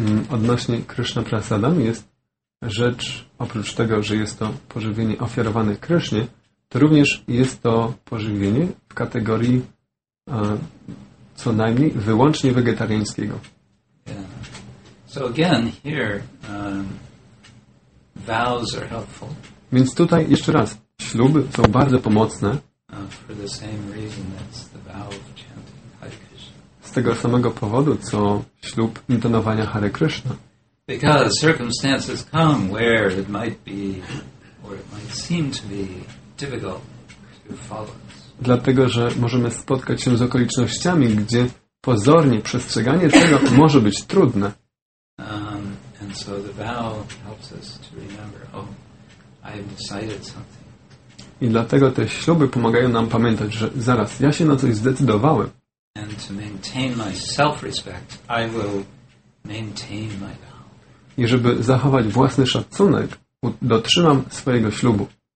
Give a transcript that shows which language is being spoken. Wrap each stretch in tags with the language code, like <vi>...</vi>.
<pl>Odnośnie Krishna Prasadam jest rzecz, oprócz tego, że jest to pożywienie ofiarowane Krishnie, to również jest to pożywienie w kategorii co najmniej wyłącznie wegetariańskiego.</pl> <en>Yeah. So again, here vows are helpful.</en> <pl>Więc tutaj jeszcze raz, śluby są bardzo pomocne.</pl> <en>For the same reason, that's the vow of chanting Hare Krishna.</en> <pl>Z tego samego powodu, co ślub intonowania Hare Krishna.</pl> <en>Because circumstances come where it might be, or it might seem to be difficult to follow.</en> <pl>Dlatego, że możemy spotkać się z okolicznościami, gdzie pozornie przestrzeganie tego może być trudne.</pl> <en>And so the vow helps us to remember, oh, I have decided something.</en> <pl>I dlatego te śluby pomagają nam pamiętać, że zaraz, ja się na coś zdecydowałem.</pl> <en>And to maintain my self-respect, I will maintain my vow.</en> <pl>I żeby zachować własny szacunek, dotrzymam swojego ślubu.</pl>